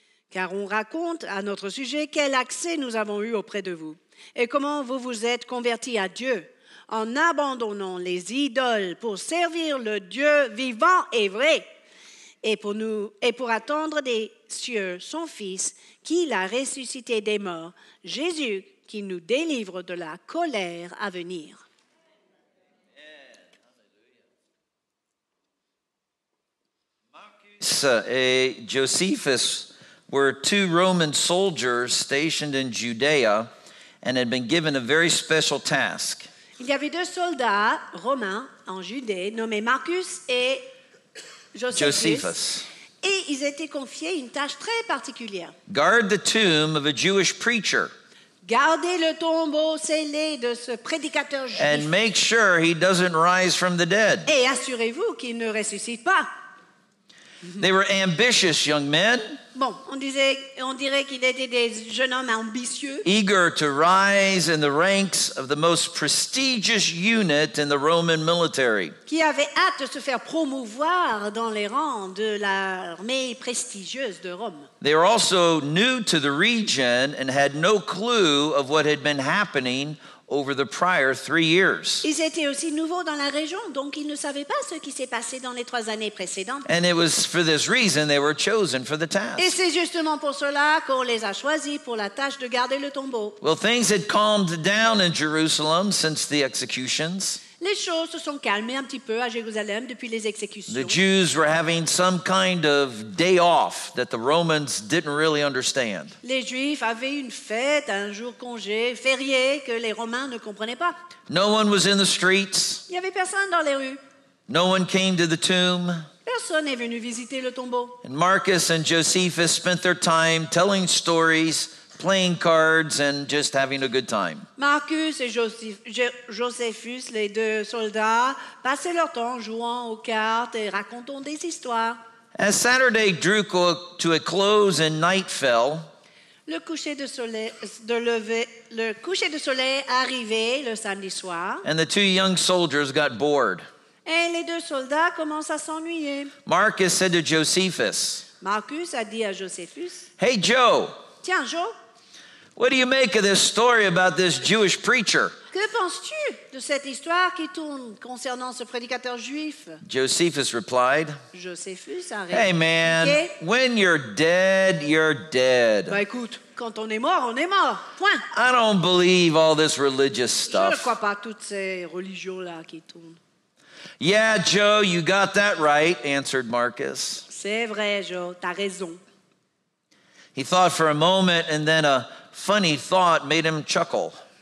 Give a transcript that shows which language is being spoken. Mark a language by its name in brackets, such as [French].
[French] Car on raconte à notre sujet quel accès nous avons eu auprès de vous et comment vous vous êtes convertis à Dieu en abandonnant les idoles pour servir le Dieu vivant et vrai. Et pour attendre des cieux son Fils, qu'il a ressuscité des morts, Jésus qui nous délivre de la colère à venir. [English] Marcus et Josephus were two Roman soldiers stationed in Judea and had been given a very special task. [French] Il y avait deux soldats romains en Judée nommés Marcus et Josephus. Et ils étaient confiés une tâche très particulière. [English] Guard the tomb of a Jewish preacher. [French] Gardez le tombeau scellé de ce prédicateur juif. [English] And make sure he doesn't rise from the dead. [French] Et assurez-vous qu'il ne ressuscite pas. [English] They were ambitious young men. [French] Bon, on dirait qu'ils étaient des jeunes hommes ambitieux. [English] Eager to rise in the ranks of the most prestigious unit in the Roman military. [French] Qui avaient hâte de se faire promouvoir dans les rangs de l'armée prestigieuse de Rome. [English] They were also new to the region and had no clue of what had been happening over the prior 3 years. [French] Ils étaient aussi nouveaux dans la région, donc ils ne savaient pas ce qui s'est passé dans les 3 années précédentes. [English] And it was for this reason they were chosen for the task. [French] Et c'est justement pour cela qu'on les a choisis pour la tâche de garder le tombeau. [English] Well, things had calmed down in Jerusalem since the executions. [French] Les choses se sont calmées un petit peu à Jérusalem depuis les exécutions. [English] The Jews were having some kind of day off that the Romans didn't really understand. [French] Les Juifs avaient une fête, un jour congé, férié, que les Romains ne comprenaient pas. [English] No one was in the streets. [French] Il n'y avait personne dans les rues. [English] No one came to the tomb. [French] Personne n'est venu visiter le tombeau. [English] And Marcus and Josephus spent their time telling stories, playing cards and just having a good time. [French] Marcus et Josephus, les deux soldats, passaient leur temps jouant aux cartes et racontant des histoires. [English] As Saturday drew to a close and night fell, [French] le coucher de soleil arrivait le samedi soir, [English] and the two young soldiers got bored. [French] Et les deux soldats commencent à s'ennuyer. [English] Marcus said to Josephus. [French] Marcus a dit à Josephus. [English] Hey Joe. [French] Tiens Joe. [English] What do you make of this story about this Jewish preacher? [French] Que penses-tu de cette histoire qui tourne concernant ce prédicateur juif? [English] Josephus replied. [French] Josephus a répondu. [English] Hey man, yeah. When you're dead, you're dead. [French] Bah écoute, quand on est mort, on est mort. Point. [English] I don't believe all this religious stuff. [French] Je ne crois pas toutes ces religions-là qui tournent. [English] Yeah, Joe, you got that right, answered Marcus. [French] C'est vrai, Joe, t'as raison. [English] He thought for a moment, and then a funny thought made him chuckle.